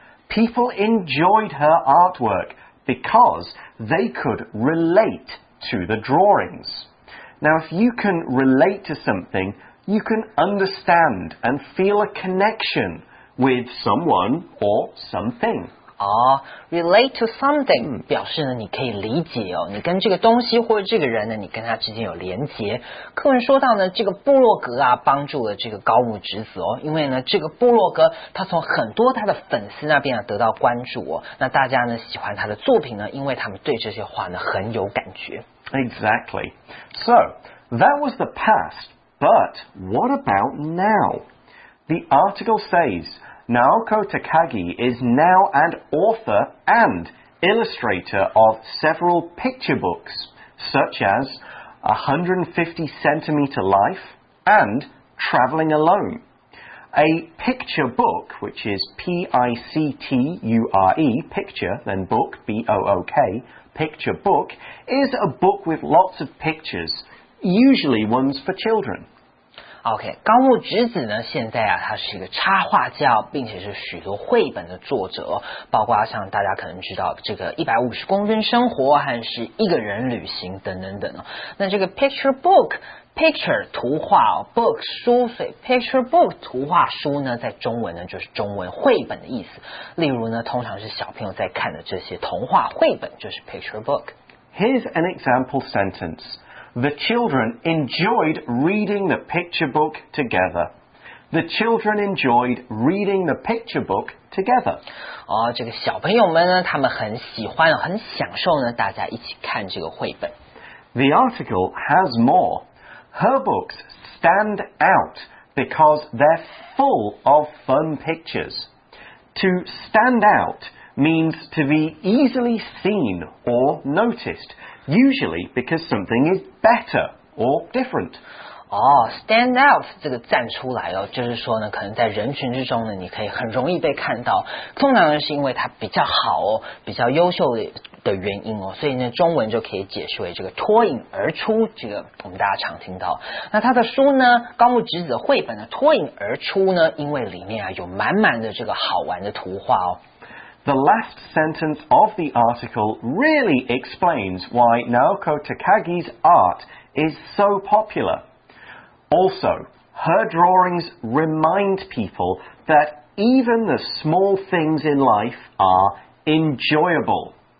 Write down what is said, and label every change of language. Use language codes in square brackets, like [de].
[en] People enjoyed her artwork because they could relate to the drawings. Now, if you can relate to something, you can understand and feel a connection with someone or something. [zh] 哦 ，relate to something 表示呢，你可以理解哦，你跟这个东西或者这个人呢，你跟他之间有连结。课文说到呢，这个部落格啊，帮助了这个高木直子哦，因为呢，这个部落格他从很多他的粉丝那边啊得到关注哦，那大家呢喜欢他的作品呢，因为他们对这些话呢很有感觉。 [en] Exactly. So that was the past, but what about now? The article says. Naoko Takagi is now an author and illustrator of several picture books, such as 150 Centimeter Life and Traveling Alone. A picture book, which is P-I-C-T-U-R-E, picture, then book, B-O-O-K, picture book, is a book with lots of pictures, usually ones for children. [zh] OK, 高木直子呢现在啊他是一个插画家并且是许多绘本的作者，包括像大家可能知道这个150公分生活和是一个人旅行等等等。那这个 picture book,Picture 图画、哦、book 书，所以 picture book 图画书呢，在中文呢就是中文绘本的意思。例如呢，通常是小朋友在看的这些童话绘本就是 picture book。 [en] Here's an example sentence. The children enjoyed reading the picture book together. The children enjoyed reading the picture book together. [zh] 哦，这个小朋友们呢，他们很喜欢，很享受呢，大家一起看这个绘本。 [en] The article has more. Her books stand out because they're full of fun pictures. To stand out means to be easily seen or noticed, usually because something is better or different. [zh] 哦、stand out 这个站出来哦，就是说呢，可能在人群之中呢，你可以很容易被看到。通常呢，是因为它比较好哦，比较优秀的原因哦，所以呢，中文就可以解释为这个脱颖而出。这个我们大家常听到。那他的书呢，高木直子的绘本呢，脱颖而出呢，因为里面啊有满满的这个好玩的图画哦。 [en] The last sentence of the article really explains why Naoko Takagi's art is so popular. Also, her drawings remind people that even the small things in life are enjoyable.